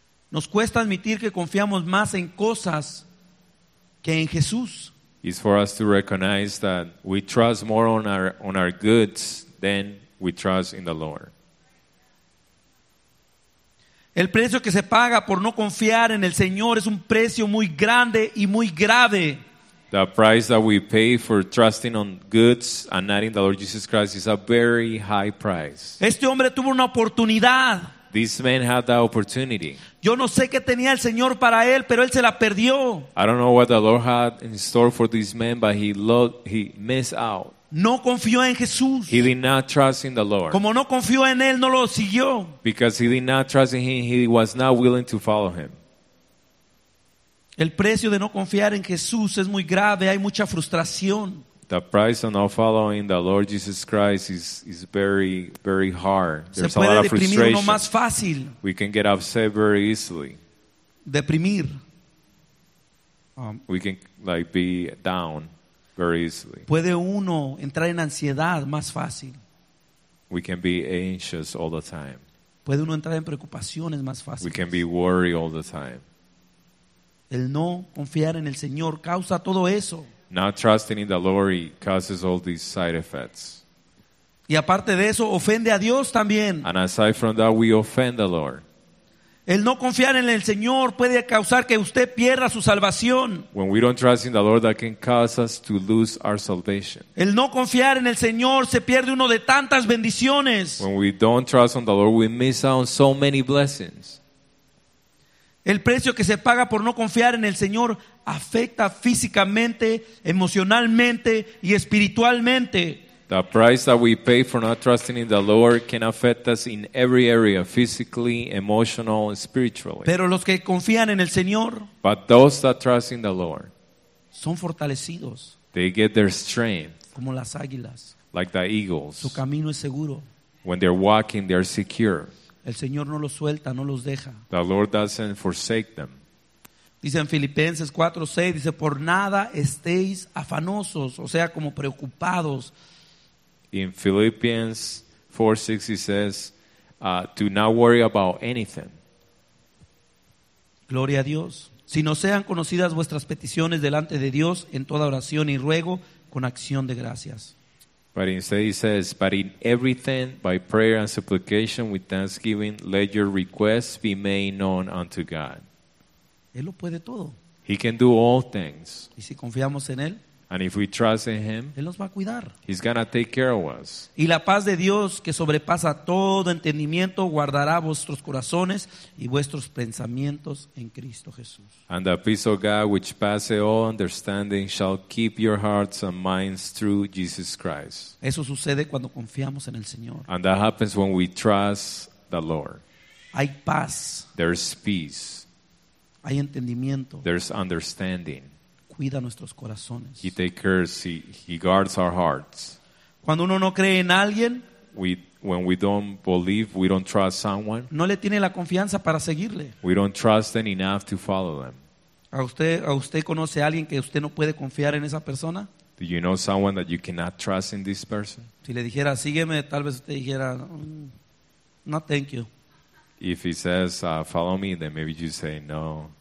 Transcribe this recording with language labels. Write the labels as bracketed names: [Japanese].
[Spanish] Nos cuesta admitir que confiamos más en cosas que en Jesús. [English] It's for us to recognize that we trust more on our goods than we trust in the Lord. [Spanish] El precio que se paga por no confiar en el Señor es un precio muy grande y muy grave. [English] The price that we pay for trusting on goods and not in the Lord Jesus Christ is a very high price. [Spanish] Este hombre tuvo una oportunidad. [English] This man had that opportunity. [Spanish] Yo no sé qué tenía el Señor para él, pero él se la perdió. [English] I don't know what the Lord had in store for this man, but he missed out. [Spanish] No confió en Jesús. [English] He did not trust in the Lord. [Spanish] Como no confió en él, no lo siguió. [English] Because he did not trust in him, he was not willing to follow him. [Spanish] El precio de no confiar en Jesús es muy grave. Hay mucha frustración. [English] The price of not following the Lord Jesus Christ is very, very hard. There's a lot of frustration. [Spanish] Más fácil. [English] We can get upset very easily. [Spanish] Deprimir. [English] We can like be down very easily. [Spanish] Puede uno entrar en ansiedad más fácil. [English] We can be anxious all the time. [Spanish] Puede uno entrar en preocupaciones más fácil. [English] We can be worried all the time. [Spanish] El no confiar en el Señor causa todo eso. [English] Not trusting in the Lord causes all these side effects. [Spanish] Y aparte de eso, ofende a Dios también. [English] And aside from that, we offend the Lord. [Spanish] El no confiar en el Señor puede causar que usted pierda su salvación. [English] When we don't trust in the Lord, that can cause us to lose our salvation. [Spanish] El no confiar en el Señor se pierde uno de tantas bendiciones. [English] When we don't trust in the Lord, we miss out on so many blessings. [Spanish] El precio que se paga por no confiar en el Señor afecta físicamente, emocionalmente y espiritualmente. [English] The price that we pay for not trusting in the Lord can affect us in every area, physically, emotional, spiritually. [Spanish] Pero los que confían en el Señor, [English] but those that trust in the Lord, [Spanish] son fortalecidos. [English] They get their strength. [Spanish] Como las águilas. [English] Like the eagles. [Spanish] Su camino es seguro. [English] When they're walking, they're secure. [Spanish] El Señor no los suelta, no los deja. [English] The Lord doesn't forsake them. [Spanish] Dice en Filipenses 4:6, dice, por nada estéis afanosos, o sea, como preocupados. [English] In Philippians 4:6, he says, do not worry about anything. [Spanish] Gloria a Dios. Si no sean conocidas vuestras peticiones delante de Dios, en toda oración y ruego, con acción de gracias. [English] But instead he says, but in everything, by prayer and supplication, with thanksgiving, let your requests be made known unto God. [Spanish] Él lo puede todo. [English] He can do all things. [Spanish] Y si confiamos en él, [English] And if we trust in him, [Spanish] Él nos va a cuidar. [English] He's gonna take care of us. [Spanish] Y la paz de Dios que sobrepasa todo entendimiento guardará vuestros corazones y vuestros pensamientos en Cristo Jesús. [English] And the peace of God which passes all understanding shall keep your hearts and minds through Jesus Christ. [Spanish] Eso sucede cuando confiamos en el Señor. [English] And that happens when we trust the Lord. [Spanish] Hay paz. [English] There's peace. [Spanish] Hay entendimiento. [English] There's understanding. [Spanish] Cuida nuestros corazones. [English] He takes care, he guards our hearts. [Spanish] Cuando uno no cree en alguien, [English] when we don't believe, we don't trust someone. [Spanish] No le tiene la confianza para seguirle. [English] We don't trust them enough to follow them. [Spanish] ¿A usted conoce a alguien que usted no puede confiar en esa persona? [English] Do you know someone that you cannot trust in this person? [Spanish] Si le dijera sígueme, tal vez usted dijera no, [English] thank you. If he says follow me, then maybe you say no.